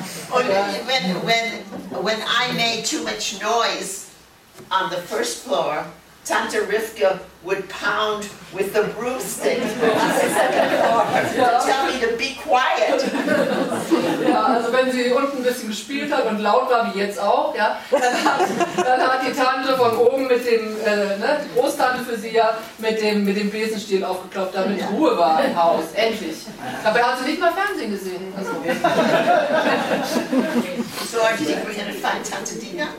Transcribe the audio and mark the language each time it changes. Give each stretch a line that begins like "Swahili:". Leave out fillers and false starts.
English: Und when I made too much noise on the first floor, Tante Rivka would pound with the broomstick on the second floor to tell me to be quiet.
German: Ja, also wenn sie unten ein bisschen gespielt hat und laut war, wie jetzt auch, ja, dann hat die Tante von oben mit dem, die Großtante für sie ja, mit dem Besenstiel aufgeklopft, damit Ruhe war im Haus, endlich. Dabei hat sie nicht mal Fernsehen gesehen. Also.
English: So, I think we're gonna find Tante Dina.